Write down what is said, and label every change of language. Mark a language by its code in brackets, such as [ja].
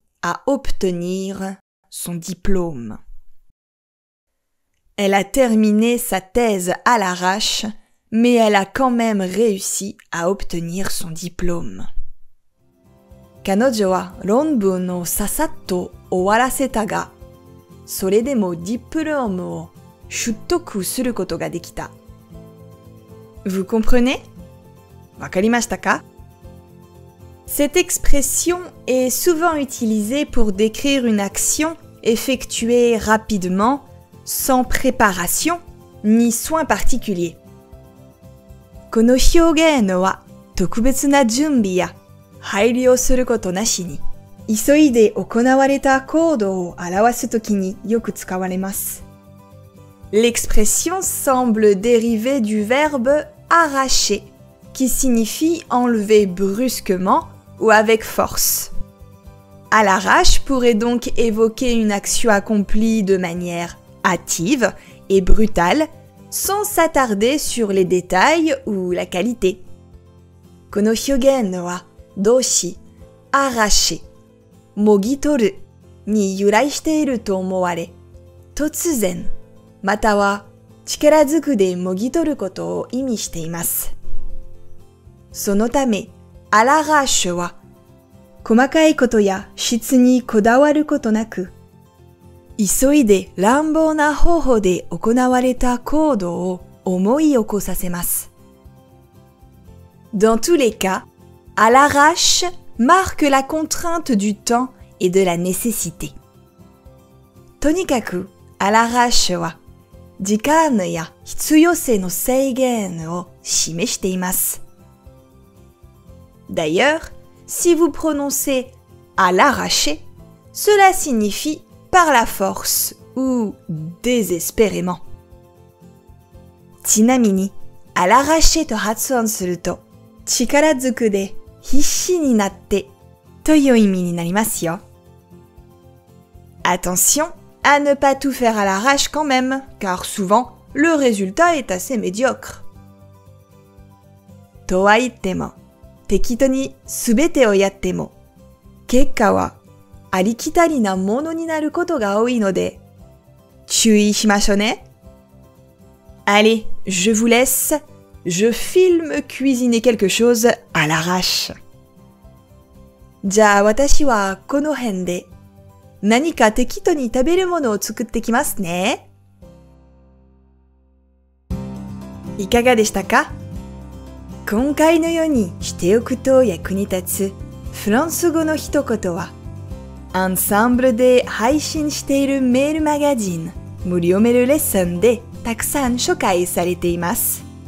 [fr] À obtenir son diplôme. Elle a terminé sa thèse à l'arrache, mais elle a quand même réussi à obtenir son diplôme. [ja] 彼女は論文をささっと終わらせたが、それでもディプロームを取得することができた。 [fr] Vous comprenez? [ja] わかりましたか？ [fr] Cette expression est souvent utilisée pour décrire une action effectuée rapidement sans préparation ni soin particulier. [ja] この表現は特別な準備や配慮をすることなしに、急いで行われた行動を表すときによく使われます。 [fr] L'expression semble dériver du verbe arracher, qui signifie enlever brusquement ou avec force. À l'arrache pourrait donc évoquer une action accomplie de manière hâtive et brutale, sans s'attarder sur les détails ou la qualité. [ja] この表現は動詞arracher、もぎ取るに由来していると思われ、突然、または力ずくでもぎ取ることを意味しています。そのため、アラガーシュは、細かいことや質にこだわることなく、急いで乱暴な方法で行われた行動を思い起こさせます。 [fr] Dans tous les cas, à l'arrache marque la contrainte du temps et de la nécessité. [ja] とにかく、à l'arrache は、時間や必要性の制限を示しています。 [fr] D'ailleurs, si vous prononcez à l'arracher, cela signifie par la force ou désespérément. [ja] ちなみに、à l'arracher と発音すると、力ずくで必死になってという意味になりますよ。 [fr] Attention à ne pas tout faire à l'arrache quand même, car souvent le résultat est assez médiocre. [ja] とはいっても、適当にすべてをやっても、結果はありきたりなものになることが多いので、注意しましょうね。 [fr] Allez, je vous laisse. Je filme cuisiner quelque chose à l'arrache. [ja] じゃあ私はこの辺で何か適当に食べるものを作ってきますね。いかがでしたか？今回のようにしておくと役に立つフランス語の一言は、アンサンブルで配信しているメールマガジン無料メールレッスンでたくさん紹介されています。